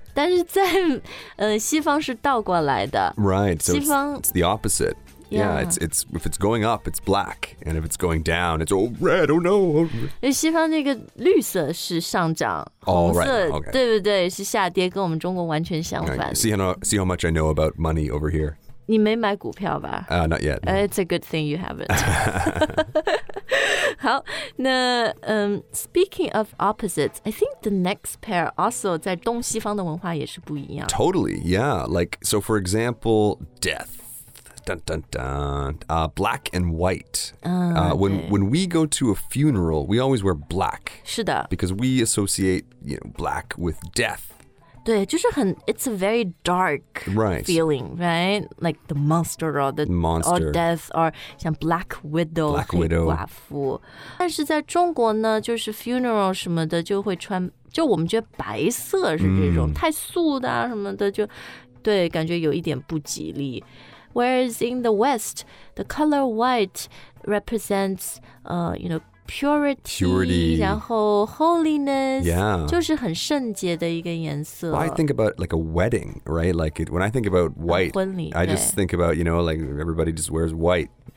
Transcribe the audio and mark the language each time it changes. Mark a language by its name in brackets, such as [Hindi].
[Chinese] 但是在、西方是倒过来的。 [English] Right, so 西方 it's the opposite. Yeah, it's, if it's going up, it's black. And if it's going down, it's all red, oh no! [Chinese] 西方那个绿色是上涨。 [English] All right, okay. [Chinese] 对不对？是下跌，跟我们中国完全相反。 [English] Right. See how much I know about money over here. [Chinese] 你没买股票吧？ [English] Not yet. No. It's a good thing you haven't. [Chinese] 好，那、 [English] speaking of opposites, I think the next pair also [Chinese] 在东西方的文化也是不一样。 [English] Totally, yeah. Like, so for example, death. Dun, dun, dun. Black and white. When we go to a funeral, we always wear black. [Chinese] 是的。 [English] Because we associate, you know, black with death. [Chinese] 对，就是很 [English] it's a very dark feeling, right? Like the monster or the monster. Or death or 像 Black Widow, Black Widow. [Chinese] 黑寡妇。但是在中国呢，就是 funeral 什么的就会穿，就我们觉得白色是这种、太素的、什么的，就对，感觉有一点不吉利。 Whereas in the West, the color white represents, you know,Purity, 然后 holiness, yeah. 就是很圣洁的一个颜色。 [English] Well, I think about like a wedding, right? Like it, when I think about white, [Chinese] 婚礼 [English] I just think about, you know, like everybody just wears white.